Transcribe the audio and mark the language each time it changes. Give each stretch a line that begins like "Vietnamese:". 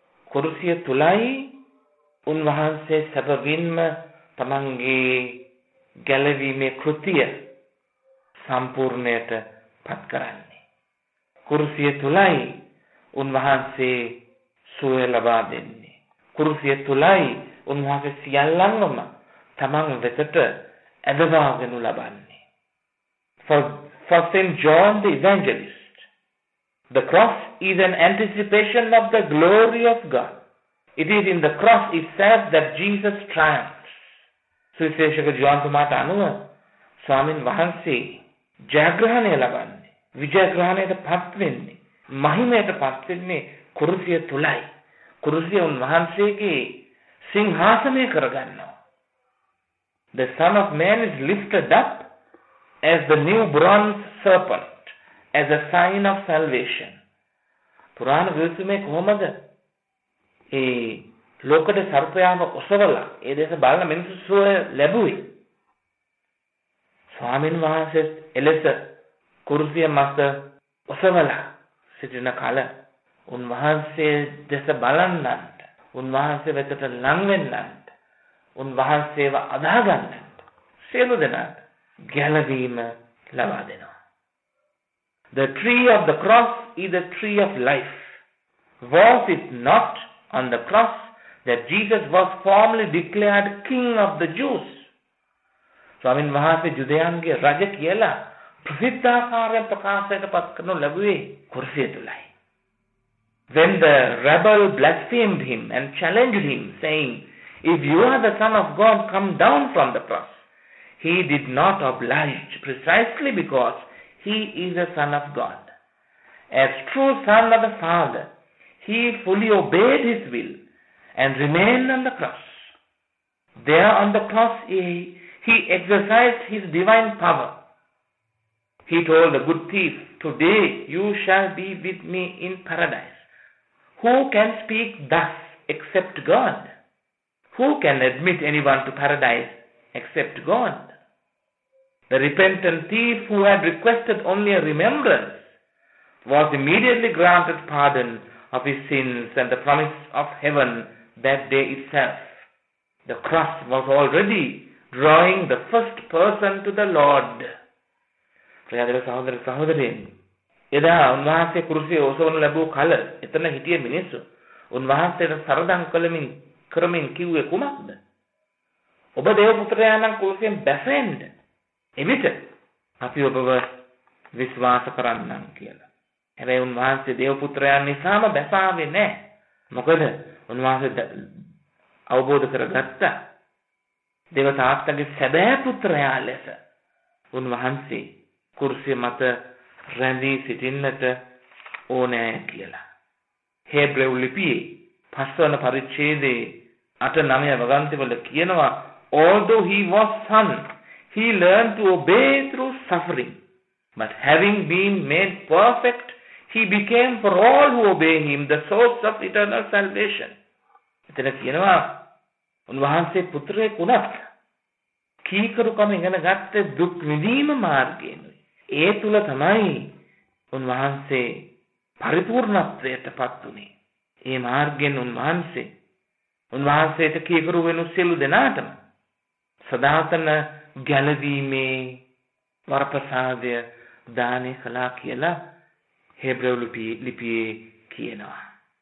Sinhala: කුරුසිය තුලයි උන්වහන්සේ සැබවින්ම තමන්ගේ ගැලවීමේ කෘතිය සම්පූර්ණයට පත් කරන්නේ. කුරුසිය තුලයි උන්වහන්සේ සුවය ලබා දෙන්නේ. කුරුසිය තුලයි උන්වහන්සේ සියල්ලන්ම තමන් වෙතට ඇදවාගෙන ලබන්නේ.
English: For St. John the Evangelist, the cross is an anticipation of the glory of God. It is in the cross itself that Jesus triumphs.
Sinhala: සුවිශේෂක ජුවන්තුමාට අනුව ස්වාමින් වහන්සේ ජයග්‍රහණය ලබන්නේ, විජයග්‍රහණයට පත් වෙන්නේ, මහිමයට පත් වෙන්නේ කුරුසිය තුලයි. කුරුසිය උන්වහන්සේගේ සිංහාසනය කරගන්නවා.
English: The Son of Man is lifted up as the new bronze serpent, as a sign of salvation.
Sinhala: පුරාණ ගිවිසුමේ කොහොමද ඒ ලෝකඩ සර්පයාව ඔසවලා ඒ දේශ බලන මිනිස්සු සුවය ලැබුවේ? ස්වාමීන් වහන්සේ එලෙස කුරුසිය මත ඔසවලා සිටින කල උන්වහන්සේ දෙස බලන්නන්ට, උන්වහන්සේ වෙතට ලංවෙන්නන්ට, උන්වහන්සේව අදහගන්නන්ට සියලු දෙනාට ගැලවීම ලබා දෙනවා.
English: The tree of the cross is a tree of life. Was it not on the cross that Jesus was formally declared king of the Jews?
Sinhala: ස්වාමීන් වහන්සේ යුදයන්ගේ රජ කියලා ප්‍රසිද්ධාකාරයෙන් ප්‍රකාශයට පත් කරනු ලැබුවේ කුරුසිය තුලයි.
English: When the rebel blasphemed him and challenged him, saying, "If you are the Son of God, come down from the cross," he did not oblige precisely because he is a Son of God. As true Son of the Father, he fully obeyed his will and remained on the cross. There on the cross, he exercised his divine power. He told the good thief, "Today you shall be with me in paradise." Who can speak thus except God? Who can admit anyone to paradise except God? The repentant thief, who had requested only a remembrance, was immediately granted pardon of his sins and the promise of heaven that day itself. The cross was already drawing the first person to the Lord.
Sinhala: ප්‍රියදර සහෝදර සහෝදරයන්, එදා උන්වහන්සේ කුරුසියේ ඔසවනු ලැබූ කල එතන හිටිය මිනිස්සු උන්වහන්සේට සරදම් කළමින් කරමින් කිව්වේ කුමක්ද? ඔබ දේවපුත්‍රයාණන් කුරුසියෙන් බැසෙන්න එමිට අපි ඔබව විශ්වාස කරන්නම් කියලා. හැබැයි උන්වහන්සේ දේවපුත්‍රයාණන් නිසාම බැසාවේ නැහැ. මොකද උන්වහන්සේ අවබෝධ කරගත්ත දේවතාත්තගේ සැබෑ පුත්‍රයා ලෙස උන්වහන්සේ කුරුසිය මත රැඳී සිටින්නට ඕනෑ කියලා. හෙබ්‍රෙව් ලිපියේ 5 වන පරිච්ඡේදයේ 8-9 වගන්තිවල කියනවා,
English: although he was son, he learned to obey through suffering, but having been made perfect, he became for all who obey him the source of eternal salvation.
Sinhala: එතන කියනවා උන්වහන්සේ පුත්‍රයෙක් වුණත් කීකරුකම ඉගෙන ගත්ත දුක් විඳීම මාර්ගයෙන් ඒ තුල තමයි උන්වහන්සේ පරිපූර්ණත්වයට පත් වුණේ. ඒ මාර්ගයෙන් උන්වහන්සේට කීකරු වෙනු සියලු දෙනාටම සදාතන ගැලවීමේ වරප්‍රසාදය දානේ කළා කියලා හෙබ්‍රෙව් ලිපියේ කියනවා.